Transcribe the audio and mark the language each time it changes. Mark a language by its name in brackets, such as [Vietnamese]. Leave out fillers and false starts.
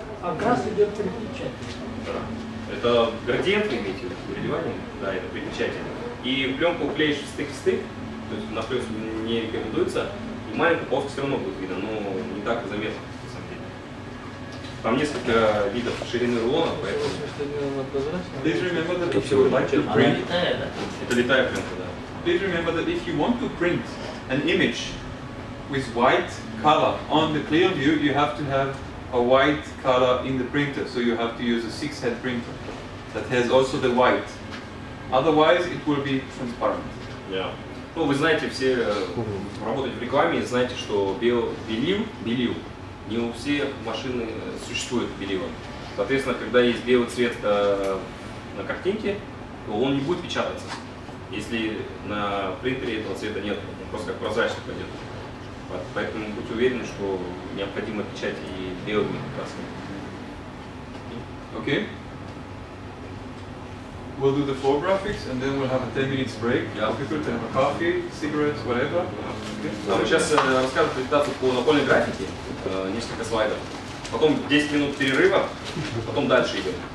[Russian] Окрас идет при печати. Да. Это градиент, имеете в виду, переливание. Да, это при печати. И пленку клеишь в стык в стык. То есть на плюс не рекомендуется. И маленькая полоска все равно будет видно, но не так заметно. Там несколько видов ширины рулона, поэтому... [English] Please remember that if you want to print... [Russian] Это летая пленка, да. [English] Please remember that if you want to print an image with white color on the clear view, you have to have a white color in the printer. So you have to use a six-head printer that has also the white. Otherwise, it will be transparent. Yeah. [Russian] Ну, вы знаете, все работают в рекламе, знаете, что белил. Не у всех машин существует белило. Соответственно, когда есть белый цвет на картинке, то он не будет печататься, если на принтере этого цвета нет, он просто как прозрачный пойдет. Поэтому будьте уверены, что необходимо печать и белыми красками. [English] Okay. We'll do the floor graphics and then we'll have a 10 minutes break. Yeah. People can have a coffee, cigarettes, whatever. Okay. [Russian] Мы сейчас расскажем презентацию по напольной графике, несколько слайдов. Потом 10 минут перерыва, потом дальше идем.